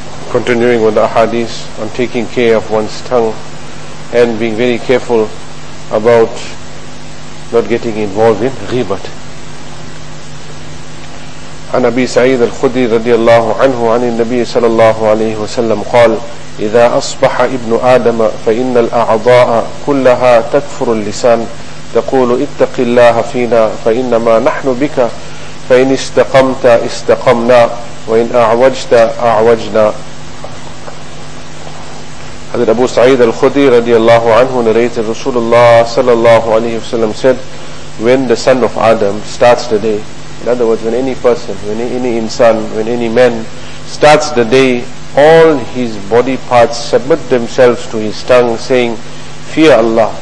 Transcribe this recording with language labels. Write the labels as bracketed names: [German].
[English] Continuing with the ahadith on taking care of one's tongue and being very careful about not getting involved in ghibat. [Arabic] An Abi Sa'id al-Khudri radiyallahu anhu anin Nabi sallallahu alayhi wa sallam qal, إذا أصبح ابن آدم فإن الأعضاء كلها تكفر اللسان تقول اتق الله فينا فإنما نحن بك فإن استقمت استقمنا وإن أعوجت أعوجنا. هذا أبو سعيد الخدري رضي الله عنه [English] narrated [Arabic] رسول الله صلى الله عليه وسلم [English] said, when the son of Adam starts the day, in other words, when any person, when any insan, when any man starts the day, all his body parts submit themselves to his tongue, saying, fear Allah.